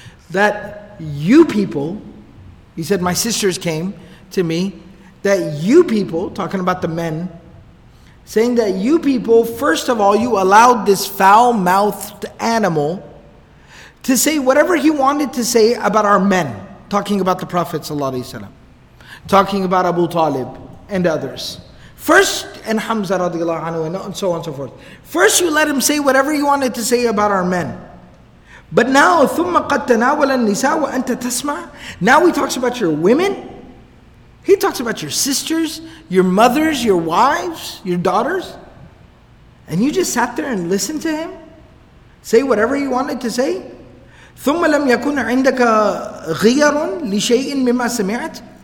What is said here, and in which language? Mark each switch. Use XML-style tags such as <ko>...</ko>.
<en>That you people, he said, my sisters came to me, that you people, talking about the men, saying that you people, first of all, you allowed this foul-mouthed animal to say whatever he wanted to say about our men, talking about the Prophet ﷺ, talking about Abu Talib and others. First, and Hamza radiallahu anhu, and so on and so forth. First you let him say whatever he wanted to say about our men. But now,</en> <ar>ثُمَّ قَدْ تَنَاوَلَ النِّسَاءَ وَأَنْتَ تَسْمَعْ.</ar> <en>Now he talks about your women. He talks about your sisters, your mothers, your wives, your daughters. And you just sat there and listened to him? Say whatever he wanted to say?</en> <ar>ثُمَّ لَمْ يَكُنْ عِنْدَكَ غِيَرٌ لِشَيْءٍ مِمَّا سَمِعَتْ.</ar>